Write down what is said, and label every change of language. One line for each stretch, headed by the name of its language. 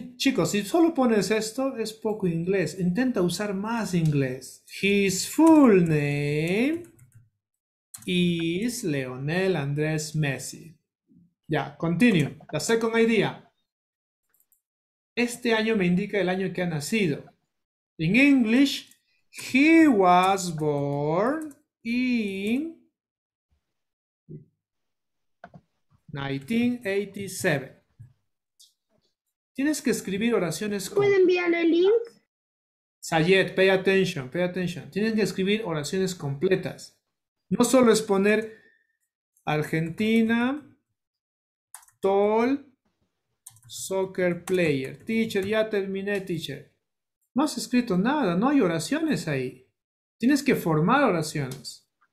Spanish: Chicos, si solo pones esto, es poco inglés. Intenta usar más inglés.
English: His full name is Lionel Andrés Messi. Ya, continue. The second idea.
Spanish: Este año me indica el año que ha nacido.
English: In English, he was born in 1987.
Spanish: Tienes que escribir oraciones ¿Puedo completas. enviar el link?
English: Sayed, pay attention, pay attention.
Spanish: Tienes que escribir oraciones completas. No solo es poner Argentina,
English: tall, soccer player.
Spanish: Teacher, ya terminé, teacher. No has escrito nada, no hay oraciones ahí. Tienes que formar oraciones.